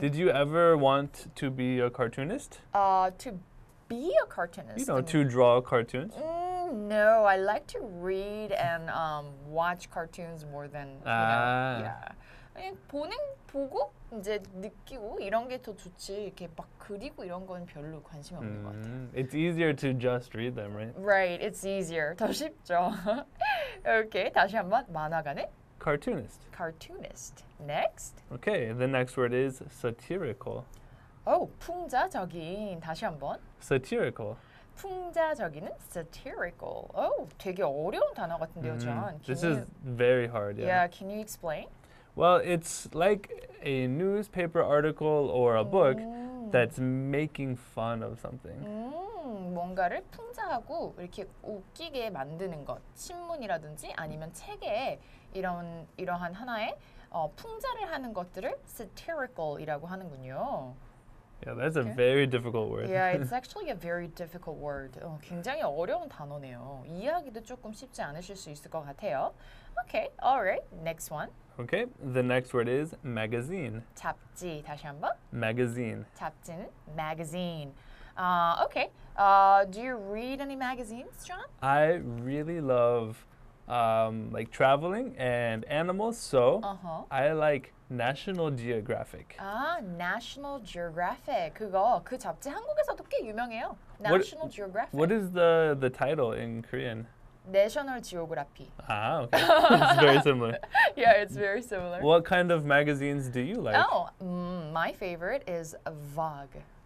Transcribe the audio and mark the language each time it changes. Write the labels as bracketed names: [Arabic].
[English] Did you ever want to be a cartoonist? To be a cartoonist. You know, to draw cartoons. No. I like to read and watch cartoons more than, you know, yeah. [Korean] 보고 이제 느끼고 이런 게 더 좋지 이렇게 막 그리고 이런 건 별로 관심 없는 것 같아요. [English] It's easier to just read them, right? Right, it's easier. [Korean] 더 쉽죠. Okay, 다시 한번 만화가는? [English] Cartoonist. Cartoonist. Next. Okay, the next word is satirical. [Korean] Oh, 풍자적인. 다시 한번. [English] Satirical. [Korean] 풍자적인은 satirical. Oh, 되게 어려운 단어 같은데요, John. [English] This is very hard, yeah. Yeah, can you explain? Well, it's like a newspaper article or a book that's making fun of something. [Korean] 뭔가를 풍자하고 이렇게 웃기게 만드는 것. 신문이라든지 아니면 책에 이러한 하나의 풍자를 하는 것들을 satirical이라고 하는군요. [English] Yeah, that's a very difficult word. Yeah, it's actually a very difficult word. [Korean] 굉장히 어려운 단어네요. 이해하기도 조금 쉽지 않으실 수 있을 것 같아요. [English] Okay, all right, next one. Okay, the next word is magazine. [Korean] 잡지, 다시 한번. [English] Magazine. [Korean] 잡지는 [English] magazine. Okay, do you read any magazines, John? I really love like traveling and animals, so I like National Geographic. National Geographic. [Korean] 그거, 그 잡지 한국에서도 꽤 유명해요. [English] National Geographic. What is the title in Korean? National Geography. Ah, okay. It's very similar. Yeah, it's very similar. What kind of magazines do you like? Oh, my favorite is Vogue.